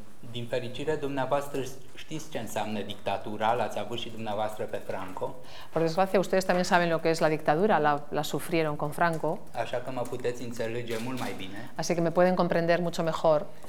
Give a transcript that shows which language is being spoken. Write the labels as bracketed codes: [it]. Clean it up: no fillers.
[ro] Din fericire, dumneavoastră știți ce înseamnă dictatura, l-ați avut și dumneavoastră pe Franco. [es] Por desgracia, ustedes también saben lo que es la dictadura, la sufrieron con Franco. [ro] Așa că mă puteți înțelege mult mai bine. [es] Así que me pueden comprender mucho mejor.